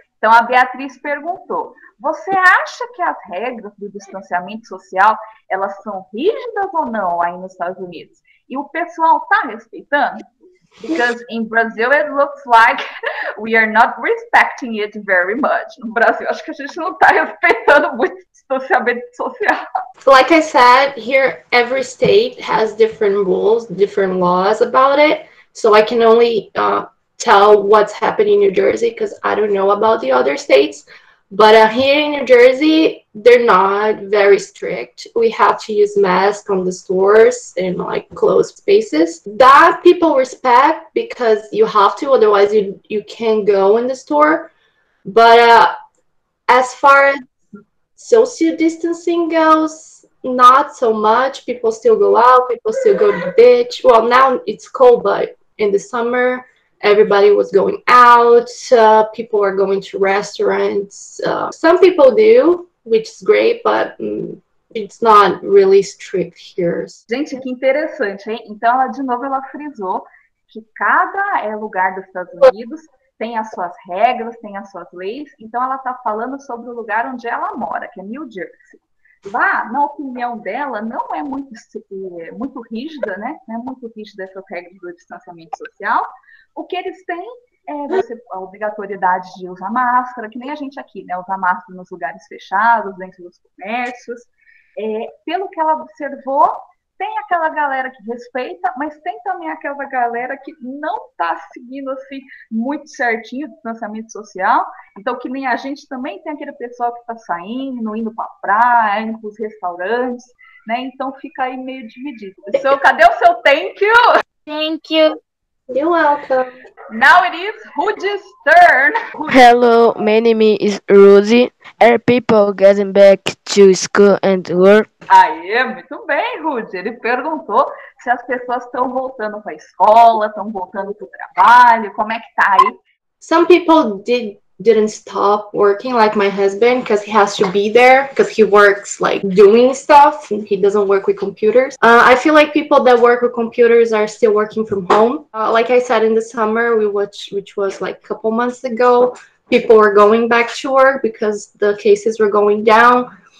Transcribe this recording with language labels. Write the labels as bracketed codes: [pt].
[pt] Então, a Beatriz perguntou, você acha que as regras do distanciamento social, elas são rígidas ou não aí nos Estados Unidos? E o pessoal está respeitando? [en] Because in Brazil, it looks like we are not respecting it very much. [pt] No Brasil, acho que a gente não está respeitando muito o distanciamento social. [en] Like I said, here, every state has different rules, different laws about it. So I can only tell what's happening in New Jersey because I don't know about the other states. But here in New Jersey, they're not very strict. We have to use masks on the stores and like closed spaces. That people respect because you have to, otherwise you can't go in the store. But as far as social distancing goes, not so much. People still go out, people still go to the beach. Well, now it's cold, but in the summer, everybody was going out, people are going to restaurants. Some people do, which is great, but it's not really strict here. [pt] Gente, que interessante, hein? Então, ela, de novo, ela frisou que cada lugar dos Estados Unidos tem as suas regras, tem as suas leis. Então, ela está falando sobre o lugar onde ela mora, que é New Jersey. Lá, na opinião dela, não é muito, muito rígida, né? Não é muito rígida essas regras do distanciamento social. O que eles têm é você, a obrigatoriedade de usar máscara, que nem a gente aqui, né? Usar máscara nos lugares fechados, dentro dos comércios. É, pelo que ela observou, tem aquela galera que respeita, mas tem também aquela galera que não está seguindo assim, muito certinho o distanciamento social. Então, que nem a gente, também tem aquele pessoal que está saindo, indo para a praia, indo para os restaurantes, né? Então, fica aí meio dividido. So, cadê o seu [en] thank you? Thank you. You're welcome. Now it is Rudy's turn. Hello, my name is Rudy. Are people getting back to school and work? [pt] Aê, muito bem, Rudy. Ele perguntou se as pessoas estão voltando para a escola, estão voltando para o trabalho, como é que tá aí? [en] Some people didn't stop working, like my husband, because he has to be there, because he works, like, doing stuff. He doesn't work with computers. I feel like people that work with computers are still working from home. Like I said, in the summer, which was, like, a couple months ago, people were going back to work because the cases were going down.